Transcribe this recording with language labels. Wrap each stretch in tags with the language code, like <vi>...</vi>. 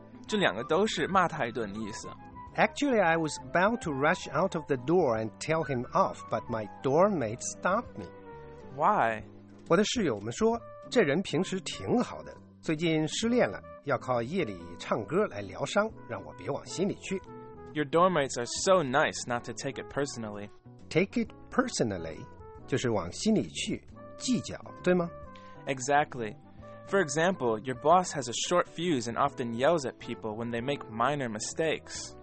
<zh>这两个都是骂他一顿的意思。</zh> <en>Actually, I was about to rush out of the door and tell him off, but my doormate stopped me. Why?</en> <zh>我的室友们说，这人平时挺好的，最近失恋了，要靠夜里唱歌来疗伤，让我别往心里去。</zh> <en>Your doormates are so nice not to take it personally.</en> <zh>Take it personally, 就是往心里去，计较，对吗？</zh> <en>Exactly. For example, your boss has a short fuse and often yells at people when they make minor mistakes.</en>